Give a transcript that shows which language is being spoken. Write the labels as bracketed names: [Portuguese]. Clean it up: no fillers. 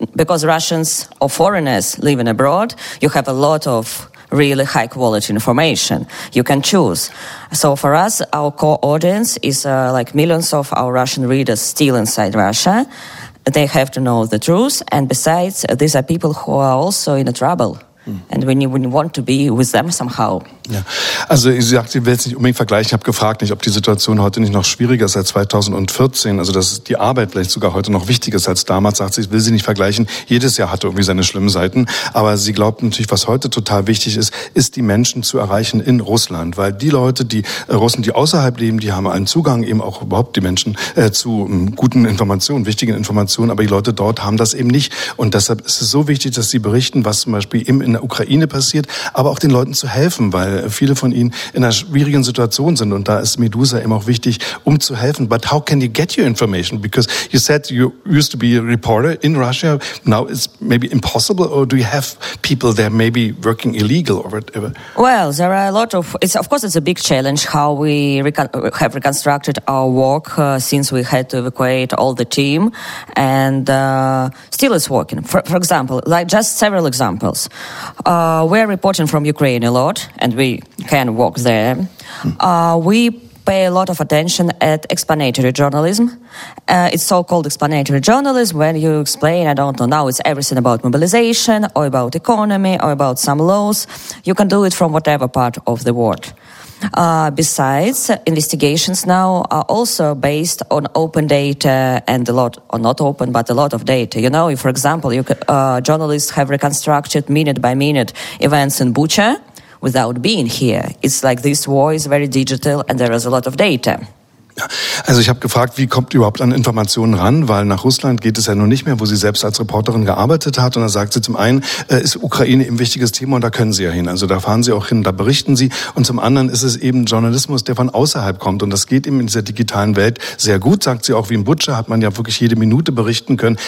[English] Because Russians or foreigners living abroad, you have a lot of really high quality information. You can choose. So for us, our core audience is like millions of our Russian readers still inside Russia. They have to know the truth. And besides, these are people who are also in trouble. And when you want to be with them somehow. [German] Ja, also ich sagte, ich will es nicht unbedingt vergleichen. Ich habe gefragt, nicht, ob die Situation heute nicht noch schwieriger ist als 2014. Also dass die Arbeit vielleicht sogar heute noch wichtiger ist als damals. Sagt sie, ich will sie nicht vergleichen. Jedes Jahr hatte irgendwie seine schlimmen Seiten. Aber sie glaubt natürlich, was heute total wichtig ist, ist die Menschen zu erreichen in Russland. Weil die Leute, die Russen, die außerhalb leben, die haben einen Zugang eben auch überhaupt die Menschen zu guten Informationen, wichtigen Informationen. Aber die Leute dort haben das eben nicht. Und deshalb ist es so wichtig, dass sie berichten, was zum Beispiel eben in der Ukraine passiert, aber auch den Leuten zu helfen, weil viele von ihnen in einer schwierigen Situation sind. Und da ist Medusa eben auch wichtig, um zu helfen. [English] But how can you get your information? Because you said you used to be a reporter in Russia. Now it's maybe impossible, or do you have people there maybe working illegal or whatever? Well, there are a lot of... It's a big challenge how we have reconstructed our work since we had to evacuate all the team. And still it's working. For example, like just several examples. We're reporting from Ukraine a lot, and we can walk there. We pay a lot of attention at explanatory journalism. It's so-called explanatory journalism, where you explain, I don't know, now it's everything about mobilization or about economy or about some laws. You can do it from whatever part of the world. Besides, investigations now are also based on open data and a lot, or not open, but a lot of data. You know, if, for example, you journalists have reconstructed minute by minute events in Bucha without being here. It's like this war is very digital and there is a lot of data. [German] Ja, also ich habe gefragt, wie kommt ihr überhaupt an Informationen ran, weil nach Russland geht es ja nun nicht mehr, wo sie selbst als Reporterin gearbeitet hat. Und da sagt sie zum einen, ist Ukraine ein wichtiges Thema und da können sie ja hin. Also da fahren sie auch hin, da berichten sie. Und zum anderen ist es eben Journalismus, der von außerhalb kommt. Und das geht eben in dieser digitalen Welt sehr gut, sagt sie auch. Wie in Butscha hat man ja wirklich jede Minute berichten können.